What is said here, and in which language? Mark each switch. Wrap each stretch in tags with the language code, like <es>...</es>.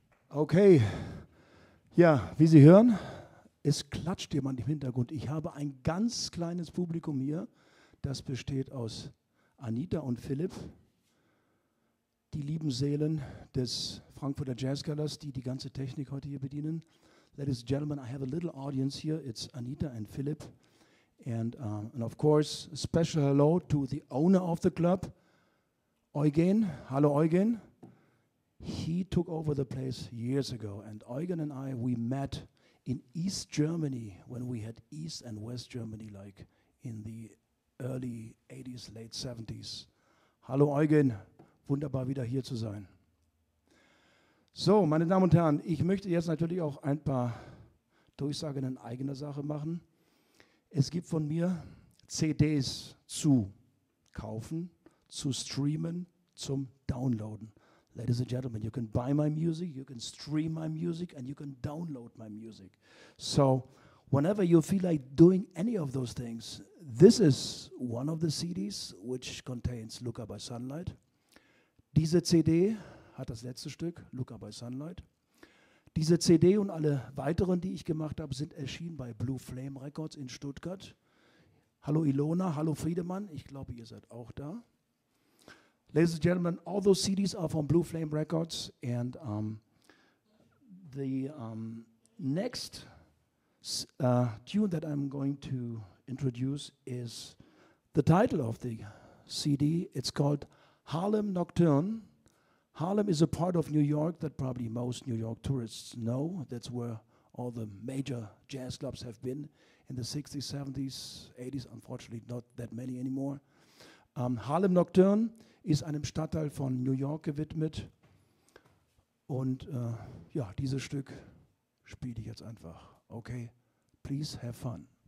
<de>Okay, ja, wie Sie hören, es klatscht jemand im Hintergrund. Ich habe ein ganz kleines Publikum hier, das besteht aus Anita und Philipp, die lieben Seelen des Frankfurter Jazzgalas, die die ganze Technik heute hier bedienen.</de> <en>Ladies and gentlemen, I have a little audience here. It's Anita and Philipp. And of course, a special hello to the owner of the club, Eugen.</en> <de>Hallo Eugen.</de> <en>He took over the place years ago, and Eugen and I, we met in East Germany when we had East and West Germany, like in the early 80s, late 70s.</en> <de>Hallo Eugen, wunderbar wieder hier zu sein. So, meine Damen und Herren, ich möchte jetzt natürlich auch ein paar Durchsagen in eigener Sache machen. Es gibt von mir CDs zu kaufen, zu streamen, zum Downloaden.</de> <en>Ladies and gentlemen, you can buy my music, you can stream my music, and you can download my music. So, whenever you feel like doing any of those things, this is one of the CDs, which contains Luca by Sunlight.</en> <de>Diese CD hat das letzte Stück, Luca by Sunlight. Diese CD und alle weiteren, die ich gemacht habe, sind erschienen bei Blue Flame Records in Stuttgart. Hallo Ilona, hallo Friedemann, ich glaube, ihr seid auch da.</de> <en>Ladies and gentlemen, all those CDs are from Blue Flame Records, and the next tune that I'm going to introduce is the title of the CD. It's called Harlem Nocturne. Harlem is a part of New York that probably most New York tourists know. That's where all the major jazz clubs have been in the 60s, 70s, 80s, unfortunately not that many anymore.</en> <de>Harlem Nocturne ist einem Stadtteil von New York gewidmet. Und ja, dieses Stück spiele ich jetzt einfach.</de> <en>Okay, please have fun.</en>